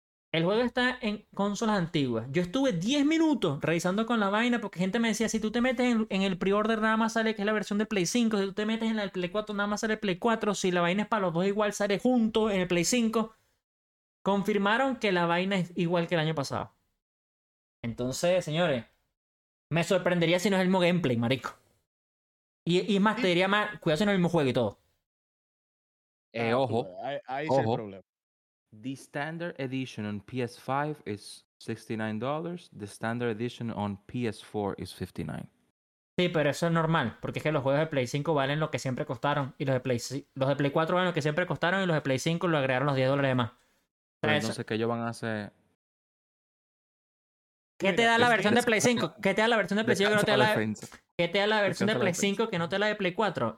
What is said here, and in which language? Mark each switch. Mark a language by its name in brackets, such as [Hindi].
[Spanish] El juego está en consolas antiguas. Yo estuve 10 minutos revisando con la vaina porque gente me decía, si tú te metes en el pre-order nada más sale que es la versión del Play 5, si tú te metes en el Play 4 nada más sale el Play 4, si la vaina es para los dos igual sale junto en el Play 5. Confirmaron que la vaina es igual que el año pasado. Entonces, señores... Me sorprendería si no es el mismo gameplay, marico. Y más, te diría más, cuidado si no es el mismo juego y todo. Ojo. Ahí sí hay problema. [English] The standard edition on PS5 is $69. The standard edition on PS4 is $59. [Spanish] Sí, pero eso es normal. Porque es que los juegos de Play 5 valen lo que siempre costaron. Y los de Play 4 valen lo que siempre costaron. Y los de Play 5 lo agregaron los $10 de más. Pero no sé qué ellos van a hacer. ¿Qué te da la versión de Play 5? ¿Qué te da la versión de Play 5 que no te da la de... ¿Qué te da la versión de Play 5 que no te da la de Play 4?